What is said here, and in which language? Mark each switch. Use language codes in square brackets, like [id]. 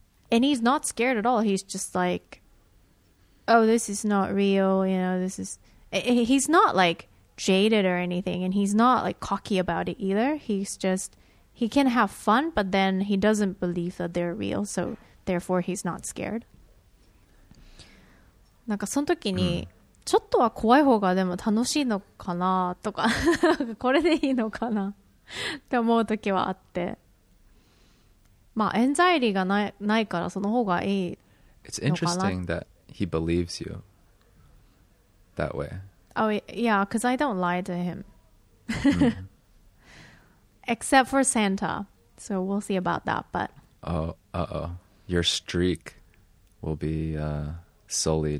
[en] And he's not scared at all. He's just like, oh, this is not real. You know, this is... He's not, like, jaded or anything. And he's not, like, cocky about it either. He's just... He can have fun, but then he doesn't believe that they're real. So, therefore, he's not scared. [ja] なんかその時に、ちょっとは怖い方がでも楽しいのかなとかこれでいいのかなって思う時はあってまあ、エンザイリーがないからその方がいいのかな。 [en] It's interesting that he believes you that way. Oh, yeah, because I don't lie to him. Except for Santa. So we'll see about that, but... Oh, your streak will be sullied.